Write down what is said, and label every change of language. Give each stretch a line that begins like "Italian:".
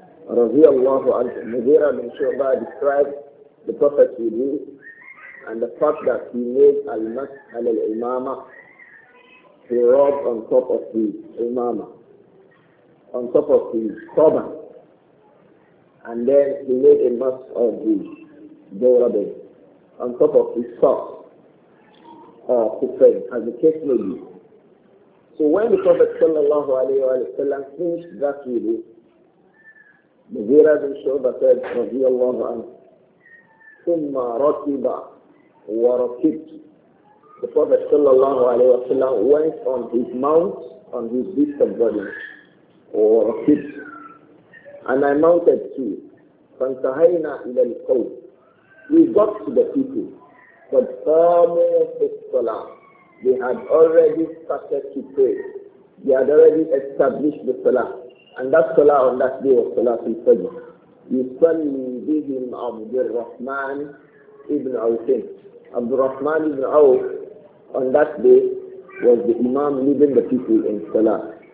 Arabic: رضي الله عنه
English: مغيرة بن شعبة described the Prophet wudu and the fact that he made al-mash على الإمامة, he rubbed on top of the إمامة, on top of the turban, and then he made a mash of the dawrabay on top of his socks or kufay, as the case may be. So when the Prophet
Arabic: صلى الله عليه وسلم
English: finished that wudu, مغيرة بن شعبة said,
Arabic: رضي الله عنه, ثم ركب وركبت.
English: The Prophet
Arabic: صلى الله عليه وسلم
English: went on his mount, on his beast of burden,
Arabic: وركبت.
English: And I mounted too.
Arabic: فانتهينا إلى القوم.
English: We got to the people. But
Arabic: قاموا في الصلاة.
English: They had already started to pray. They had already established the salah. And that salah on that day was Salatul Fajr.
Arabic: يُصَلِّي بِهِمْ عَبْدِ الرَّحْمَنِ إِبْنُ عَوْفٍ.
English: عَبْدُ الرَّحْمَنِ إِبْنُ عَوْفٍ on that day was the Imam leading the people in salah.